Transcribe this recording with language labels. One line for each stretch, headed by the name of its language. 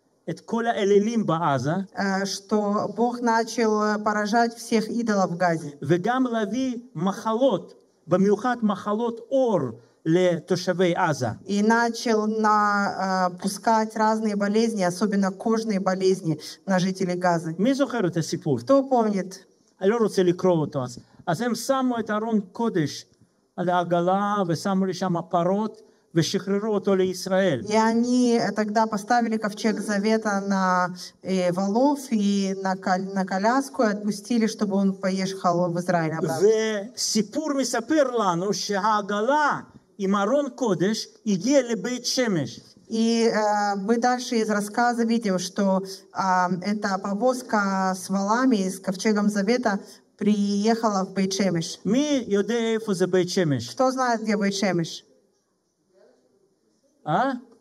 Hebrew: את כל האלילים בעזה.
Russian: Что Бог начал поражать всех идолов в Газе.
Hebrew: וגם להביא מחלות, במיוחד מחלות אור לתושבי עזה.
Russian: И начал пускать разные болезни, особенно кожные болезни на жителей Газы.
Hebrew: מי זוכר את הסיפור?
Russian: Кто помнит?
Hebrew: אני לא רוצה לקרוא אותו. אז הם שמו את ארון קודש על העגלה ושמו לשם הפרות. ושחררו אותו לישראל.
Russian: И они тогда поставили ковчег завета на валов и на коляску и отпустили, чтобы он поехал в Израиль обратно.
Hebrew: וסיפור מספר לנו שהעגלה עם ארון קודש הגיעה לבית שמש.
Russian: И мы дальше из рассказа видим, что эта повозка с валами, с ковчегом завета приехала в Бейт Шемеш.
Hebrew: מי יודע איפה זה בית שמש?
Russian: Кто знает, где Бейт Шемеш? А?